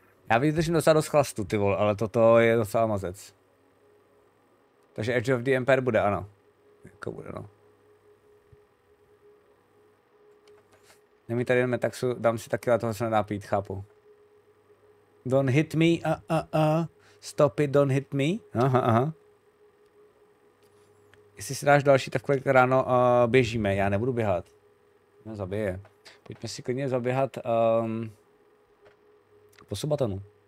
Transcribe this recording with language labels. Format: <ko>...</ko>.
<cs>Já vydržím docela dost chlastu, ty vole, ale toto je docela mazec. Takže Edge of the Empire bude, ano. Jako bude, no. Nemí tady jen metaxu, dám si taky, ale toho se nedá pít, chápu.</cs> <en>Don't hit me, stop it, don't hit me.</en> <cs>Aha. Jestli si dáš další, tak kolik ráno běžíme, já nebudu běhat. Mě zabije. Pojďme si klidně zaběhat po Subatonu.</cs>